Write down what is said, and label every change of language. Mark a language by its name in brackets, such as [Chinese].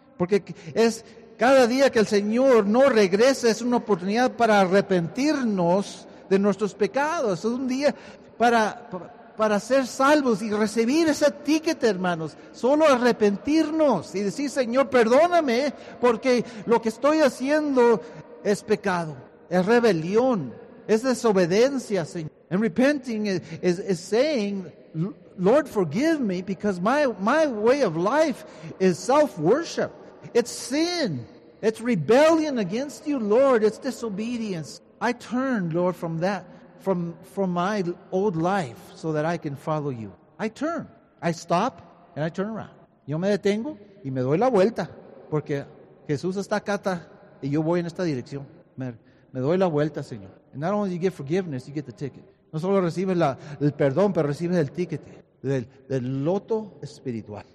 [Spanish] Porque es cada día que el Señor no regresa es una oportunidad para arrepentirnos de nuestros pecados. Es un día para ser salvos y recibir ese ticket, hermanos. Solo arrepentirnos y decir, Señor, perdóname porque lo que estoy haciendo es pecado, es rebelión, es desobediencia, Señor. [English] And repenting is saying, Lord, forgive me because my way of life is self-worship. It's sin. It's rebellion against you, Lord. It's disobedience. I turn, Lord, from that, from my old life so that I can follow you. I turn. I stop and I turn around. [Spanish] Yo me detengo y me doy la vuelta porque Jesús está acá y yo voy en esta dirección. Me doy la vuelta, Señor. [English] And not only do you get forgiveness, you get the ticket. [Spanish] No solo recibes el perdón, pero recibes el ticket del loto espiritual.